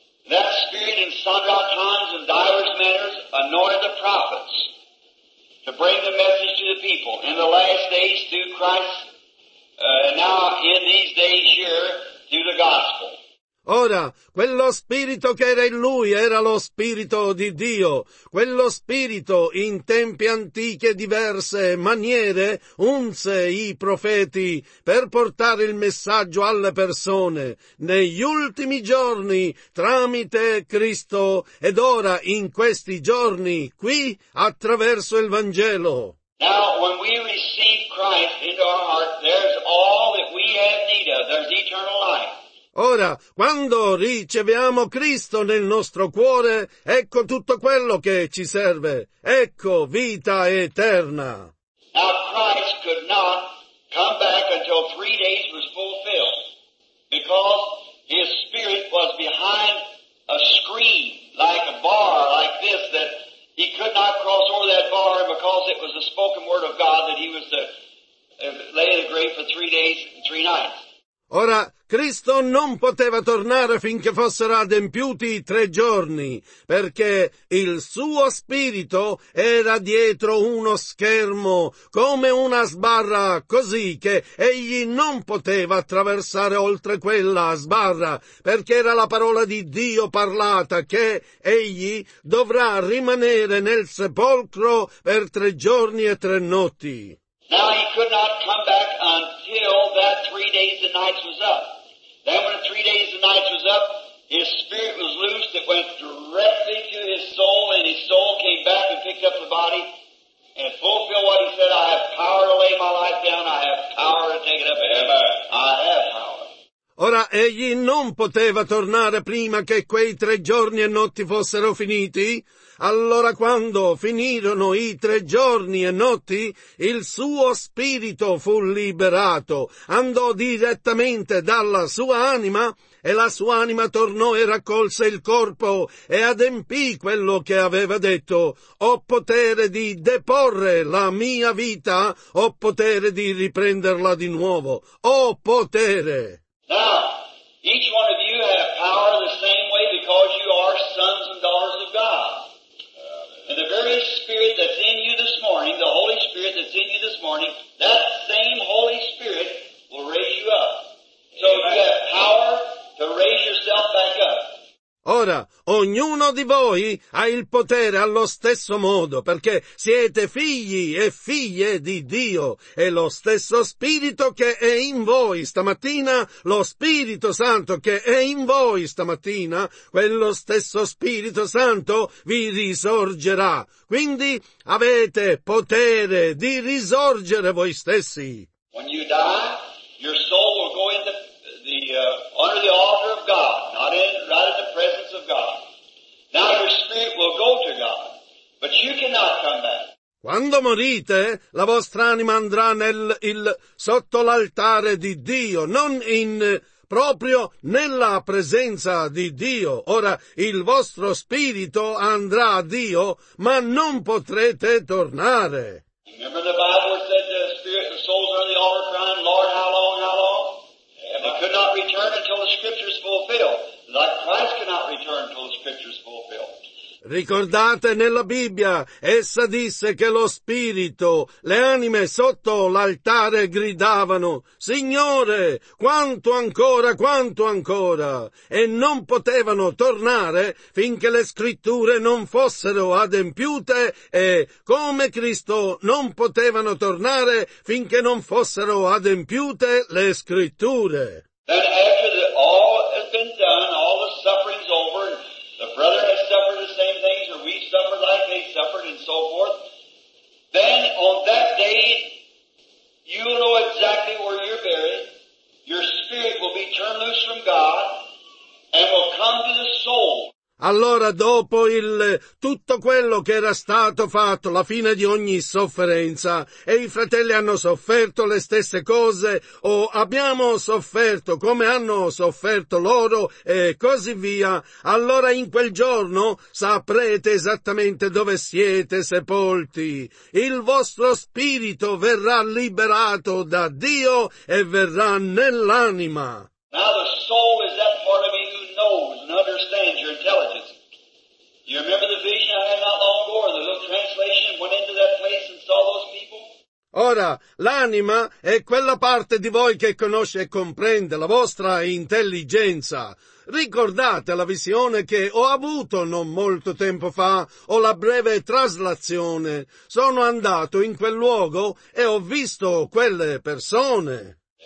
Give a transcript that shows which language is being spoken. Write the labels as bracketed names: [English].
[English] That spirit in sundry times and divers manners anointed the prophets to bring the message to the people. In the last days through Christ, now in these days here, through the gospel. [Italian] Ora, quello spirito che era in lui era lo spirito di Dio. Quello spirito in tempi antichi diverse maniere unse i profeti per portare il messaggio alle persone negli ultimi giorni tramite Cristo ed ora in questi giorni qui attraverso il Vangelo. [English] Now, when we receive Christ into our heart, there's all that we have need of. There's eternal life. [Italian] Ora, quando riceviamo Cristo nel nostro cuore, ecco tutto quello che ci serve. Ecco vita eterna. [English] Now Christ could not come back until 3 days was fulfilled, because his spirit was behind a screen, like a bar, like this, that he could not cross over that bar because it was the spoken word of God that he was to lay in the grave for 3 days and 3 nights. [Italian] Ora, Cristo non poteva tornare finché fossero adempiuti 3 giorni, perché il suo spirito era dietro uno schermo, come una sbarra, così che egli non poteva attraversare oltre quella sbarra, perché era la parola di Dio parlata, che egli dovrà rimanere nel sepolcro per 3 giorni e 3 notti. [English] Now he could not come back until that 3 days and nights was up. Then when the 3 days and nights was up, his spirit was loosed. It went directly to his soul, and his soul came back and picked up the body and fulfilled what he said, I have power to lay my life down. I have power to take it up ever. I have power. [Italian] Ora, egli non poteva tornare prima che quei 3 giorni e notti fossero finiti? Allora, quando finirono i 3 giorni e notti, il suo spirito fu liberato, andò direttamente dalla sua anima, e la sua anima tornò e raccolse il corpo, e adempì quello che aveva detto: ho potere di deporre la mia vita, ho potere di riprenderla di nuovo, ho potere! [English] Now, each one of you have power the same way because you are sons and daughters of God. And the very Spirit that's in you this morning, the Holy Spirit that's in you this morning, that same Holy Spirit will raise you up. So if you have power to raise yourself back up. [Italian] Ora, ognuno di voi ha il potere allo stesso modo, perché siete figli e figlie di Dio, e lo stesso Spirito che è in voi stamattina, lo Spirito Santo che è in voi stamattina, quello stesso Spirito Santo vi risorgerà. Quindi avete potere di risorgere voi stessi. [English] When you die, your soul will go into under the altar of God, right in the presence of God. Now your spirit will go to God, but you cannot come back. [Italian] Quando morite, la vostra anima andrà sotto l'altare di Dio, non in proprio nella presenza di Dio. Ora il vostro spirito andrà a Dio, ma non potrete tornare. [English] Remember the Bible said the spirit and souls are in the altar crying, Lord, how long, how long? I could not return until the scriptures fulfilled. Like Christ cannot return until the scriptures fulfilled. [Italian] Ricordate, nella Bibbia essa disse che lo spirito, le anime sotto l'altare gridavano: Signore, quanto ancora, quanto ancora? E non potevano tornare finché le scritture non fossero adempiute, e come Cristo non potevano tornare finché non fossero adempiute le scritture. [English] That after the, all has been done, all the suffering's over, the brother has suffered the same things, or we've suffered like they suffered, and so forth, then on that day, you'll know exactly where you're buried, your spirit will be turned loose from God, and will come to the soul. [Italian] Allora, dopo tutto quello che era stato fatto, la fine di ogni sofferenza, e i fratelli hanno sofferto le stesse cose, o abbiamo sofferto come hanno sofferto loro, e così via, allora in quel giorno saprete esattamente dove siete sepolti. Il vostro spirito verrà liberato da Dio e verrà nell'anima. [English] Now the soul is that part of you who knows and understands your intelligence. You remember the vision I had not long ago, or the little translation, went into that place and saw those people? [Italian] Ora, l'anima è quella parte di voi che conosce e comprende, la vostra intelligenza. Ricordate la visione che ho avuto non molto tempo fa, o la breve traslazione. Sono andato in quel luogo e ho visto quelle persone.